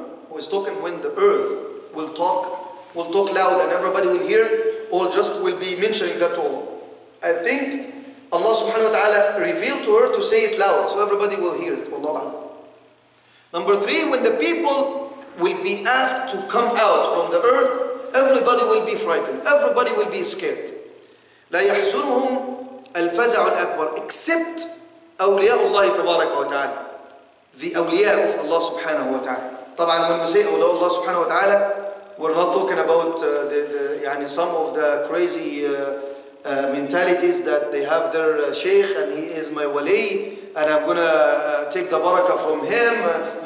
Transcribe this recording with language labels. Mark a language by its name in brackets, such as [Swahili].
[English] Who is talking when the earth will talk loud and everybody will hear, or just will be mentioning that to Allah. I think Allah subhanahu wa ta'ala revealed to her to say it loud, so everybody will hear it. Allah. Number three, when the people will be asked to come out from the earth, everybody will be frightened, everybody will be scared. [Arabic] لا يحزنهم الفزع الأكبر except أولياء الله تبارك وتعالى. [English] The awliya of Allah subhanahu wa ta'ala. طبعاً when we say awliya Allah subhanahu wa ta'ala, we're not talking about the يعني some of the crazy mentalities that they have their sheikh and he is my wali and I'm gonna take the barakah from him.